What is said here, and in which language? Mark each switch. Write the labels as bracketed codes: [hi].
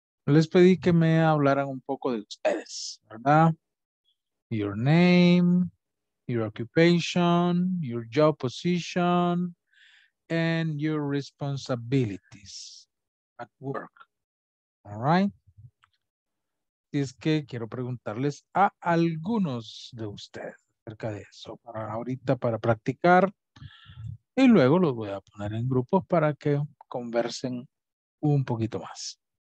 [es] Les pedí que me hablaran un poco de ustedes, ¿verdad? [en] Your name, your occupation, your job position, and your responsibilities at work. All right? [es] Y es que quiero preguntarles a algunos de ustedes acerca de eso para ahorita para practicar. Y luego los voy a poner en grupos para que conversen un poquito más.